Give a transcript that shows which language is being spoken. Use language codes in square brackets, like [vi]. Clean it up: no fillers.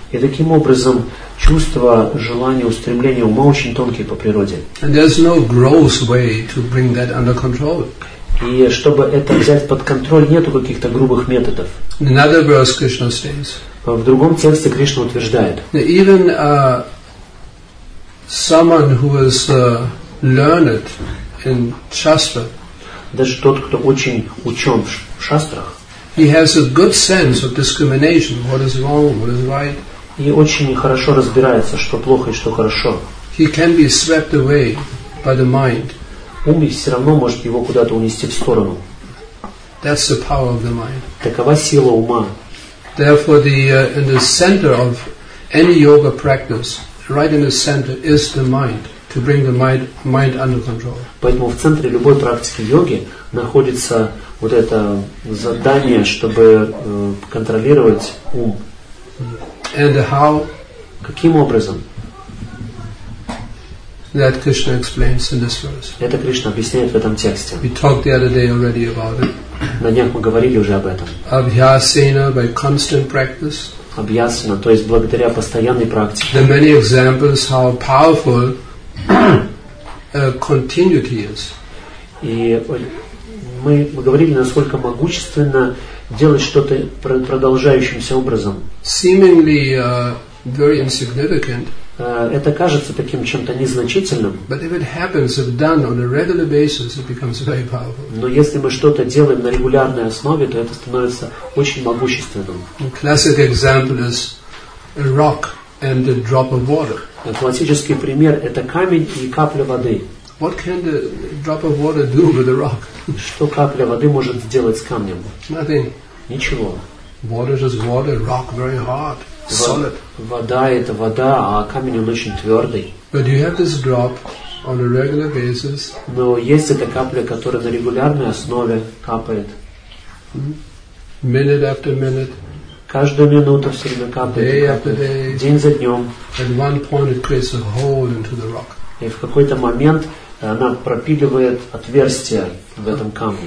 [ru] И таким образом чувства, желания, устремления ума очень тонкие по природе. [en] And there's no gross way to bring that under control. [ru] И чтобы это взять под контроль, нету каких-то грубых методов. [en] Another verse Krishna says. [ru] В другом тексте Кришна утверждает. [en] Even someone who is learned in shastra. [ru] Даже тот, кто очень учен в шастрах. [en] He has a good sense of discrimination. What is wrong, what is right. [ru] И очень хорошо разбирается, что плохо и что хорошо. [en] He can be swept away by the mind. [ru] Ум все равно может его куда-то унести в сторону. [en] That's the power of the mind. [ru] Такова сила ума. [en] Therefore, in the center of any yoga practice, right in the center is the mind, to bring the mind under control. [ru] Поэтому в центре любой практики йоги находится вот это задание, чтобы контролировать ум. [en] And how? [ru] Каким образом? [en] That Krishna explains in this verse. [ru] Это Кришна объясняет в этом тексте. [en] We talked the other day already about it. [ru] На днях мы говорили уже об этом. [en] Abhyasena, by constant practice. [ru] Объясненно, то есть благодаря постоянной практике. [en] There are many examples how powerful continuity is. [ru] И мы говорили, насколько могущественно делать что-то продолжающимся образом. [en] Seemingly very insignificant. [ru] Это кажется таким чем-то незначительным. [en] But if it happens, if done on a regular basis, it becomes very powerful. [ru] Но если мы что-то делаем на регулярной основе, то это становится очень могущественным. [en] A classic example is a rock and a drop of water. [ru] Классический пример – это камень и капля воды. [en] What can the drop of water do with a rock? [ru] Что капля воды может сделать с камнем? [en] Nothing. [ru] Ничего. [en] Water is water. Rock very hard. Solid. [ru] Вода – это вода, а камень, он очень твердый. [en] But you have this drop on a regular basis. [ru] Но есть эта капля, которая на регулярной основе капает. [en] Minute after minute. [ru] Каждую минуту все время капает. [en] Day after day. [ru] День за днем. [en] At one point it creates a hole into the rock. [ru] И в какой-то момент она пропиливает отверстие в этом камне.